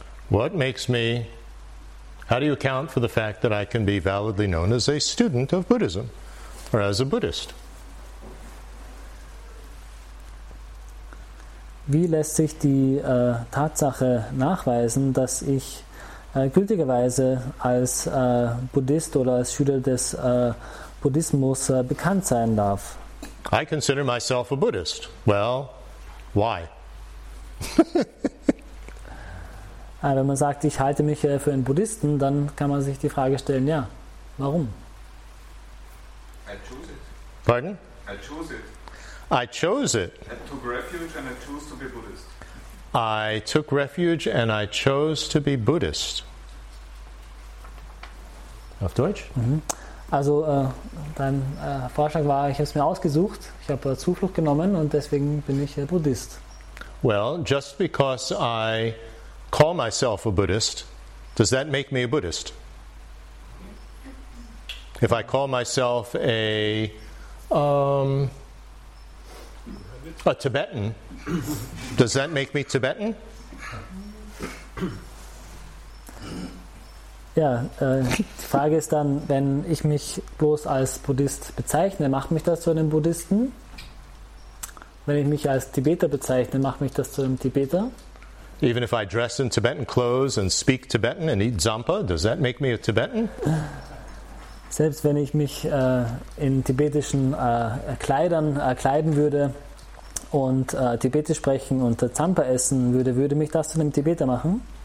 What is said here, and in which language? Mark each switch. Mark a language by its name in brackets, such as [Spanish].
[English] What makes me, how do you account for the fact that I can be validly known as a student of Buddhism or as a Buddhist? [German] Wie lässt sich die Tatsache nachweisen, dass ich gültigerweise als Buddhist oder als Schüler des Buddhismus bekannt sein darf? [English] I consider myself a Buddhist. Well, why? [German] Wenn man sagt, ich halte mich für einen Buddhisten, dann kann man sich die Frage stellen, ja, warum? [English] I choose it. Pardon? I choose it. I chose it. I took refuge and I chose to be Buddhist. I took refuge and I chose to be Buddhist. [German] Auf Deutsch? Mhm. Also dein Vorschlag war, ich habe es mir ausgesucht, ich habe Zuflucht genommen und deswegen bin ich Buddhist. [English] Well, just because I call myself a Buddhist, does that make me a Buddhist? If I call myself a Tibetan, does that make me Tibetan? [German] Ja, die Frage ist dann, wenn ich mich bloß als Buddhist bezeichne, macht mich das zu einem Buddhisten? Wenn ich mich als Tibeter bezeichne, macht mich das zu einem Tibeter? [English] Even if I dress in Tibetan clothes and speak Tibetan and eat zampa, does that make me a Tibetan? [German] Selbst wenn ich mich in tibetischen Kleidern kleiden würde und Tibetisch sprechen und Zampa essen würde, würde mich das zu einem Tibeter machen?